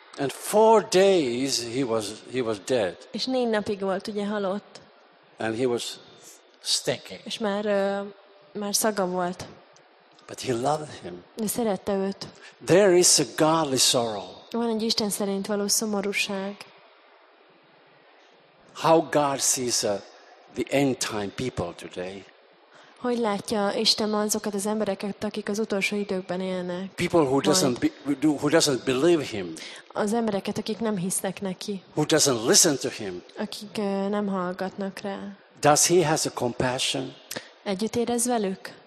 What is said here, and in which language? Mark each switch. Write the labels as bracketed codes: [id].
[en] And 4 days he was dead. [hu] És 4 napig volt ugye halott. [en] And he was stinking. [hu] És már szaga volt. [en] But he loved him. [hu] De szerette őt. [en] There is a godly sorrow. [hu] Van egy Isten szerint való szomorúság. [en] How God sees the end time people today. [hu] Hogy látja Isten azokat az embereket, akik az utolsó időkben élnek? [en] People who doesn't believe him. [hu] Az embereket, akik nem hisznek neki. [en] Who doesn't listen to him. [hu] Akik nem hallgatnak rá. [en] Does he has a compassion? [hu] Együtt érez velük.